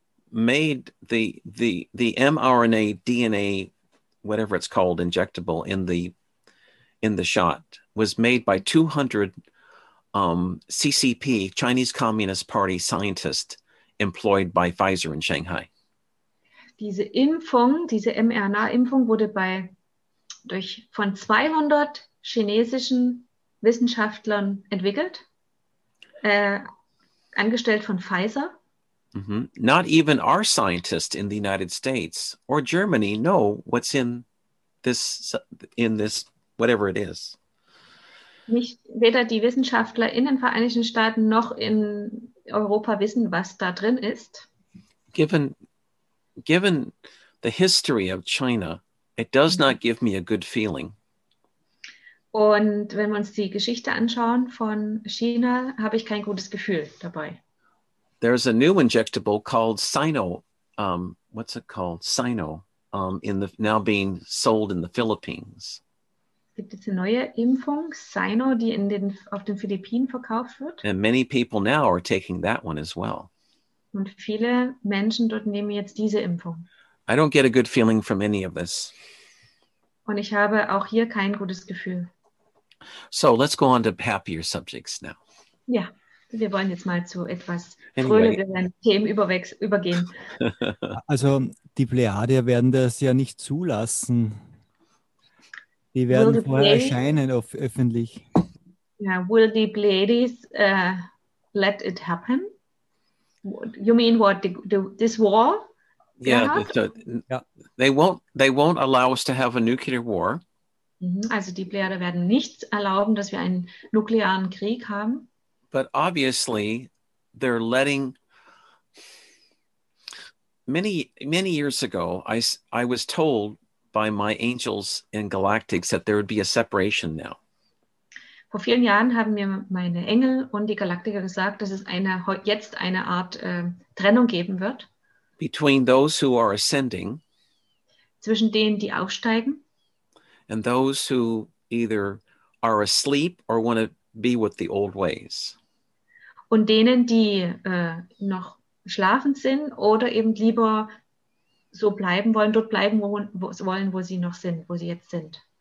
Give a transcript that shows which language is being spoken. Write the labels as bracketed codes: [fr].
[en] Made the mRNA DNA, whatever it's called, injectable in the shot was made by 200 CCP Chinese Communist Party scientists employed by Pfizer in Shanghai. [de] Diese mRNA-Impfung wurde von 200 chinesischen Wissenschaftlern entwickelt, angestellt von Pfizer. Mm-hmm. [en] Not even our scientists in the United States or Germany know what's in this whatever it is. [de] Nicht weder die Wissenschaftler in den Vereinigten Staaten noch in Europa wissen, was da drin ist. [en] Given the history of China, it does not give me a good feeling. [de] Und wenn wir uns die Geschichte anschauen von China, habe ich kein gutes Gefühl dabei. [en] There's a new injectable called Sino. What's it called? Sino. Now being sold in the Philippines. [de] Gibt es eine neue Impfung, Sino, die auf den Philippinen verkauft wird? [en] And many people now are taking that one as well. [de] Und viele Menschen dort nehmen jetzt diese Impfung. [en] I don't get a good feeling from any of this. [de] Und ich habe auch hier kein gutes Gefühl. [en] So let's go on to happier subjects now. Yeah. [de] Wir wollen jetzt mal zu etwas fröhlicheren Themen übergehen. Also die Plejadier werden das ja nicht zulassen. Die werden vorher erscheinen öffentlich. [en] Yeah, will the Pleiades let it happen? You mean what, this war? Yeah, they won't allow us to have a nuclear war. [de] Also die Plejadier werden nicht erlauben, dass wir einen nuklearen Krieg haben. [en] But obviously, they're letting. Many, many years ago, I was told by my angels in galactics that there would be a separation now. [de] Vor vielen Jahren haben mir meine Engel und die Galaktiker gesagt, dass es jetzt eine Art Trennung geben wird. [en] Between those who are ascending. [de] Zwischen denen, die aufsteigen. [en] And those who either are asleep or want to be with the old ways. [de] Und denen, die noch schlafend sind oder eben lieber so bleiben wollen, dort bleiben wollen, wo sie noch sind, wo sie jetzt sind.